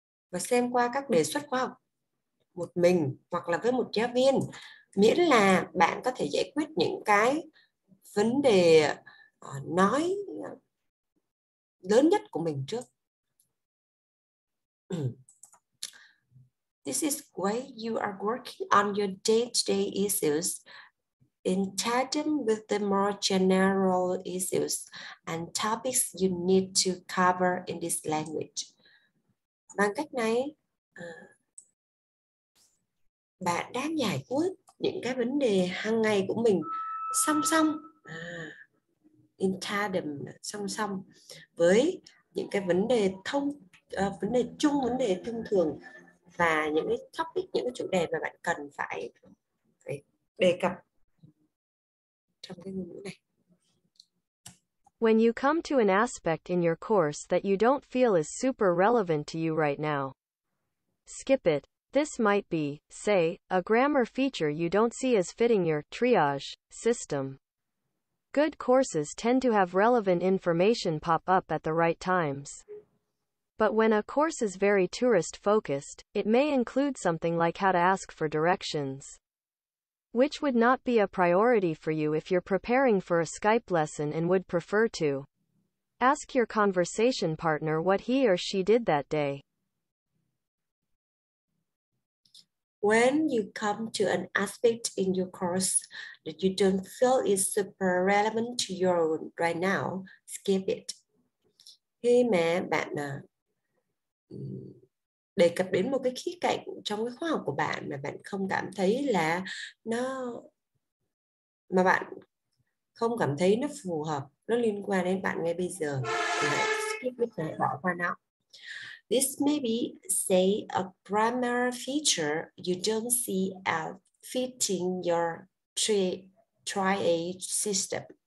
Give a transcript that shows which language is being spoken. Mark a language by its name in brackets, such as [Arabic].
[Vietnamese] và xem qua các đề xuất khóa học một mình hoặc là với một giáo viên, miễn là bạn có thể giải quyết những cái vấn đề nói lớn nhất của mình trước. [English] This is why you are working on your day-to-day issues in tandem with the more general issues and topics you need to cover in this language. [Vietnamese] Bằng cách này, bạn đang giải quyết những cái vấn đề hàng ngày của mình song song, [English] in tandem, [Vietnamese] song song với những cái vấn đề vấn đề thông thường và những cái topic, những cái chủ đề mà bạn cần phải đề cập trong cái ngôn ngữ này. [English] When you come to an aspect in your course that you don't feel is super relevant to you right now, skip it. This might be, say, a grammar feature you don't see as fitting your triage system. Good courses tend to have relevant information pop up at the right times. But when a course is very tourist-focused, it may include something like how to ask for directions, which would not be a priority for you if you're preparing for a Skype lesson and would prefer to ask your conversation partner what he or she did that day. When you come to an aspect in your course that you don't feel is super relevant to you right now, skip it. [Vietnamese] Khi mà bạn đề cập đến một cái khía cạnh trong cái khóa học của bạn mà bạn không cảm thấy là nó, mà bạn không cảm thấy nó phù hợp, nó liên quan đến bạn ngay bây giờ, thì hãy [English] skip it, [Vietnamese] bỏ qua nó. [English] This may be, say, a grammar feature you don't see as fitting your triage system.